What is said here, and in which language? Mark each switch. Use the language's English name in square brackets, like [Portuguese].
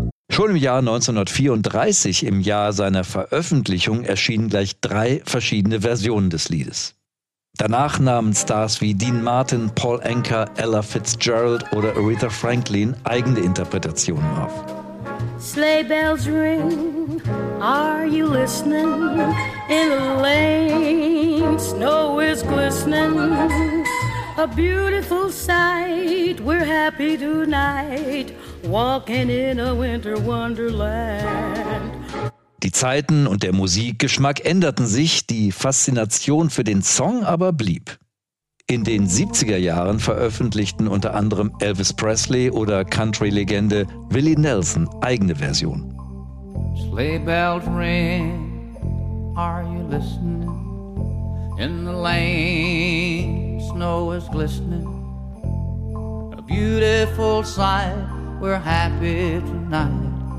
[German] Schon im Jahr 1934, im Jahr seiner Veröffentlichung, erschienen gleich drei verschiedene Versionen des Liedes. Danach nahmen Stars wie Dean Martin, Paul Anka, Ella Fitzgerald oder Aretha Franklin eigene Interpretationen auf. [English] Sleigh bells ring, are you listening? In the lane, snow is glistening. A beautiful sight, we're happy tonight. Walking in a winter wonderland. [German] Die Zeiten und der Musikgeschmack änderten sich, die Faszination für den Song aber blieb. In den 70er Jahren veröffentlichten unter anderem Elvis Presley oder Country-Legende Willie Nelson eigene Versionen. [English] Sleigh bells ring, are you listening? In the lane, snow is glistening. A beautiful sight, we're happy tonight.